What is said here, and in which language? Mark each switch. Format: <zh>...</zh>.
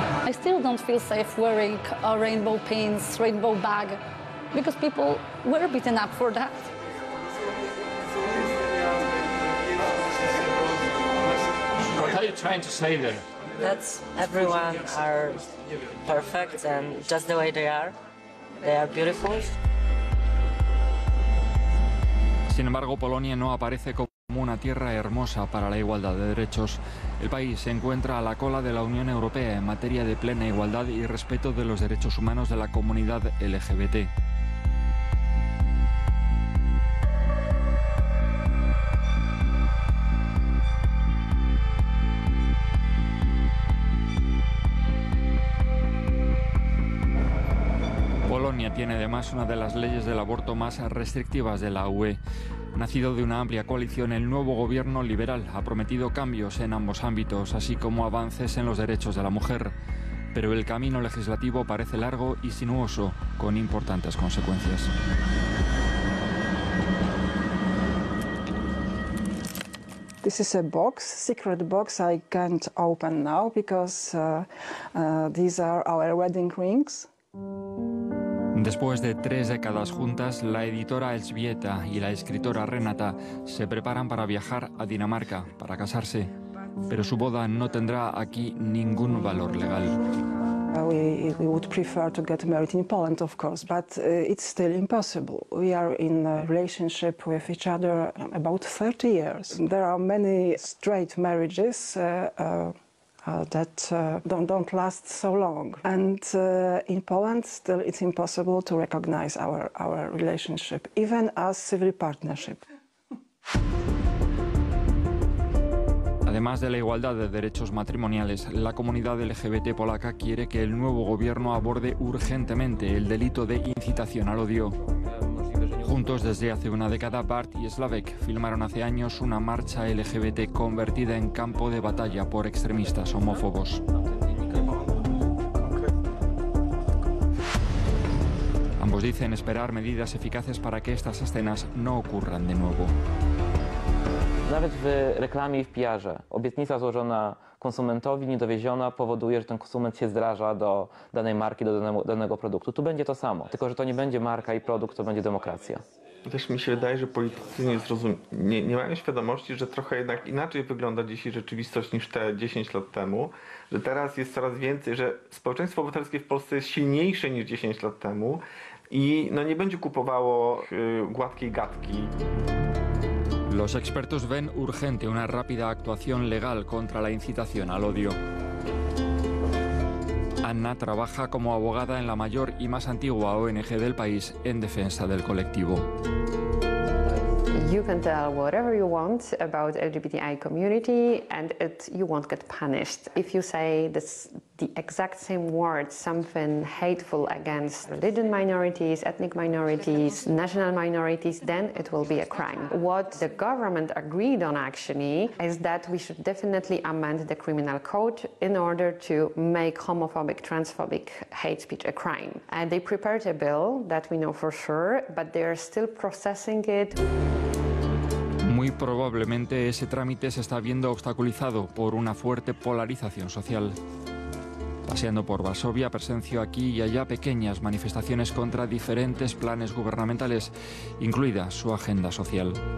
<en>I still don't feel safe wearing a rainbow pins, rainbow bag, because people were beaten up for that. What are you trying to say there? That everyone are perfect and just the way they are beautiful.</en> <es>Sin embargo, Polonia no aparece como una tierra hermosa para la igualdad de derechos. El país se encuentra a la cola de la Unión Europea en materia de plena igualdad y respeto de los derechos humanos de la comunidad LGBT. Tiene además una de las leyes del aborto más restrictivas de la UE. Nacido de una amplia coalición, el nuevo gobierno liberal ha prometido cambios en ambos ámbitos, así como avances en los derechos de la mujer. Pero el camino legislativo parece largo y sinuoso, con importantes consecuencias.</es> <en>This is a box, secret box I can't open now because these are our wedding rings.</en> <es>Después de 3 décadas juntas, la editora Elsbieta y la escritora Renata se preparan para viajar a Dinamarca para casarse. Pero su boda no tendrá aquí ningún valor legal.</es> <en>We would prefer to get married in Poland, of course, but it's still impossible. We are in a relationship with each other about 30 years. There are many straight marriages that don't last so long. And in Poland still it's impossible to recognize our relationship, even as civil partnership.</en> <es>Además de la igualdad de derechos matrimoniales, la comunidad LGBT polaca quiere que el nuevo gobierno aborde urgentemente el delito de incitación al odio. Juntos desde hace una década, Bart y Slavek filmaron hace años una marcha LGBT convertida en campo de batalla por extremistas homófobos. Ambos dicen esperar medidas eficaces para que estas escenas no ocurran de nuevo.</es> <pl>Nawet w reklamie i w PR-ze obietnica złożona konsumentowi, niedowieziona, powoduje, że ten konsument się zdraża do danej marki, do danego produktu. Tu będzie to samo, tylko że to nie będzie marka i produkt, to będzie demokracja. Też mi się wydaje, że politycy nie mają świadomości, że trochę jednak inaczej wygląda dzisiaj rzeczywistość niż te 10 lat temu, że teraz jest coraz więcej, że społeczeństwo obywatelskie w Polsce jest silniejsze niż 10 lat temu i no nie będzie kupowało gładkiej gadki.</pl> <es>Los expertos ven urgente una rápida actuación legal contra la incitación al odio. Anna trabaja como abogada en la mayor y más antigua ONG del país en defensa del colectivo.</es> <en>You can tell whatever you want about LGBTI community and you won't get punished. If you say the exact same word, something hateful against religion minorities, ethnic minorities, national minorities, then it will be a crime. What the government agreed on actually is that we should definitely amend the criminal code in order to make homophobic, transphobic hate speech a crime. And they prepared a bill that we know for sure, but they are still processing it.</en> <es>Muy probablemente ese trámite se está viendo obstaculizado por una fuerte polarización social. Paseando por Varsovia, presencio aquí y allá pequeñas manifestaciones contra diferentes planes gubernamentales, incluida su agenda social.</es>